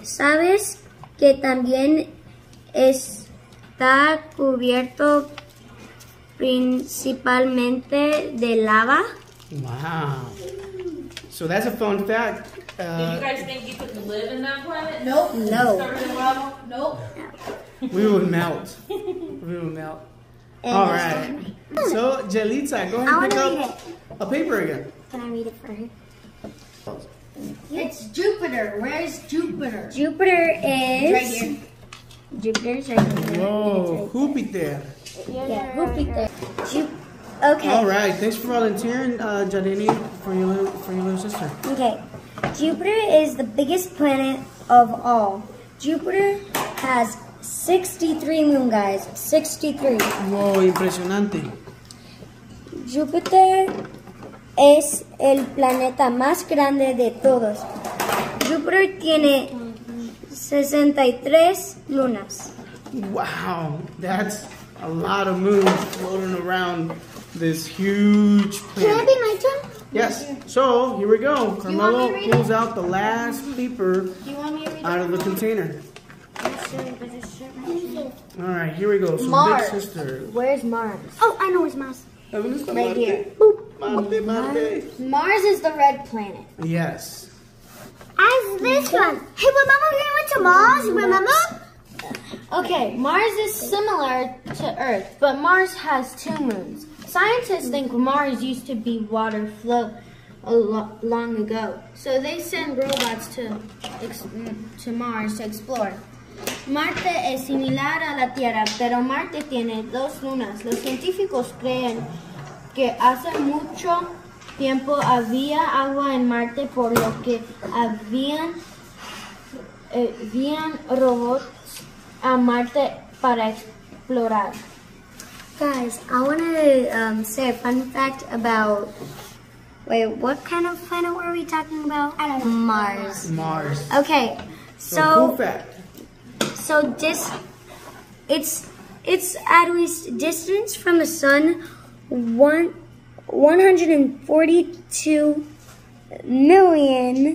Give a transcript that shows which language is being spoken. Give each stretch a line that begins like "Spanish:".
Spanish: ¿Sabes que también está cubierto principalmente de lava?
English: Wow. So that's a fun fact. Did you guys think you could live in that planet? Nope. We would melt. And all right. So, Jelita, go ahead and pick up a paper again. Can I read it for you? It's Jupiter. Where is Jupiter? Jupiter is... right here. Jupiter's right here. Whoa, Jupiter. Yeah, Jupiter. Okay. All right. Thanks for volunteering, Jadini, for your little sister. Okay. Jupiter is the biggest planet of all. Jupiter has 63 moon, guys. 63.
Spanish: Whoa, impresionante. Jupiter es el planeta más grande de todos. Jupiter tiene 63 lunas.
English: Wow, that's a lot of moons floating around this huge planet. Can I be my turn? Yes. So, here we go. Carmelo pulls out the last paper out of the container. All right, here we go. So, Mars. Big sister. Where's Mars? Oh, I know where's Mars. Right here. Boop. Mars is the red planet. Yes. As this one. Hey, remember when we went to Mars? Remember? Okay, Mars is similar to Earth, but Mars has two moons. Scientists think Mars used to be water flow long ago, so they send robots to Mars to explore.
Spanish: Marte es similar a la Tierra, pero Marte tiene dos lunas. Los científicos creen que hace mucho tiempo había agua en Marte, por lo que habían robots a Marte para explorar.
English: Guys, I want to say a fun fact about Wait, what kind of planet were we talking about? I don't know. Mars. Mars. Okay, so cool fact. So this, it's at least distance from the sun, 142 million